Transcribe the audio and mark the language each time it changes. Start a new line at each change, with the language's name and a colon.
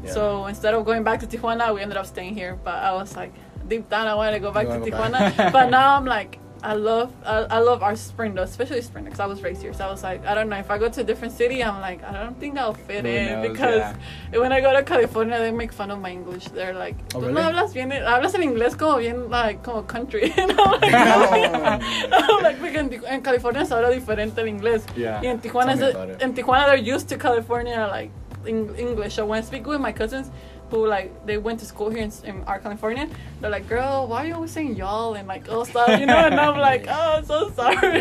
English: So instead of going back to Tijuana, we ended up staying here. But I was like, deep down, I wanted to go back to Tijuana. But now I'm like, I love our spring though, especially spring, because I was raised here. So I was like, I don't know, if I go to a different city, I'm like, I don't think I'll fit Who knows, because when I go to California, they make fun of my English. They're like, oh, really?
Spanish: No hablas bien, hablas en inglés como bien, like, como country.
English: I'm like,
Spanish: porque en California se habla diferente el inglés.
English: Yeah.
Spanish: Y en Tijuana,
English: they're used to California, like, English. So when I speak with my cousins, who like they went to school here in our California, they're like, girl, why are you always saying y'all and like all stuff, you know? And I'm like, oh, I'm so sorry.